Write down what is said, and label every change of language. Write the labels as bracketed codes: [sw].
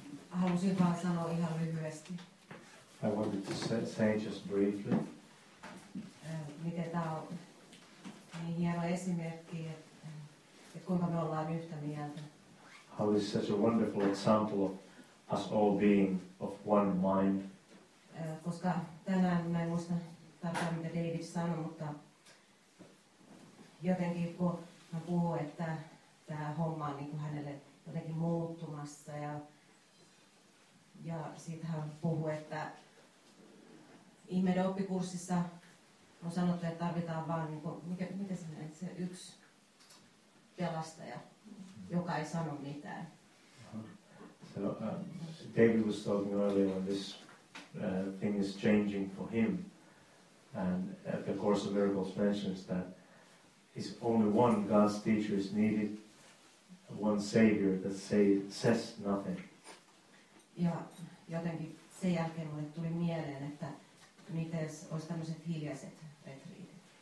[fi] Haluaisin vain sanoa ihan lyhyesti. [en] I wanted to say just briefly. [fi] Miten tämä on niin hieno esimerkki, että kuinka me ollaan yhtä mieltä. [en] How this is such a wonderful example of us all being of one mind. [fi] Koska tänään mä en muista tarkkaan, mitä David sanoi, mutta jotenkin kun hän puhui, että tämä homma on niin kuin hänelle jotenkin muuttumassa ja siitä hän puhui, että ihmeiden oppikurssissa on sanottu, että tarvitaan vaan niin kuin, mitä sinä, että se yksi pelastaja. Joka ei sano mitään. [en] So David was talking earlier when this thing is changing for him, and the Course of Miracles mentions that is only one God's teacher is needed, one savior that says nothing. [fi] Ja jotenkin sen jälkeen mulle tuli mieleen, että miten olisi tämmöiset hiljaiset retriitit.